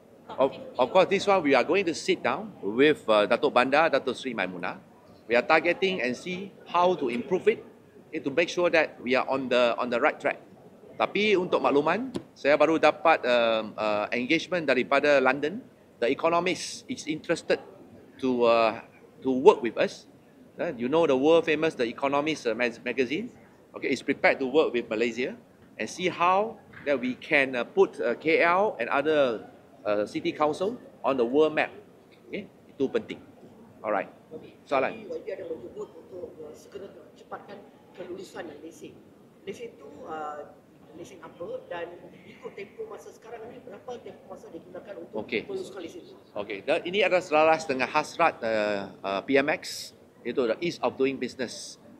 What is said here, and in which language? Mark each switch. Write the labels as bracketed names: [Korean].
[English] Of course, this one we are going to sit down with Datuk Bandar, Datuk Sri Maimunah. We are targeting and see how to improve it, okay, to make sure that we are on the right track. [Malay] Tapi untuk makluman, saya baru dapat engagement daripada London. [English] The Economist is interested to work with us. You know the world famous The Economist magazine. Okay, is prepared to work with Malaysia and see how that we can put KL and other City Council on the world map. [Malay] Okay, itu penting. Alright. Soalan. YB ada menyebut untuk segera cepatkan kelulusan lesen. Lesen itu lesen apa dan ikut tempoh masa sekarang ni berapa tempoh masa digunakan untuk meluluskan lesen? Okay. Dan ini adalah selaras dengan hasrat PMX, itu [English] the ease of doing business.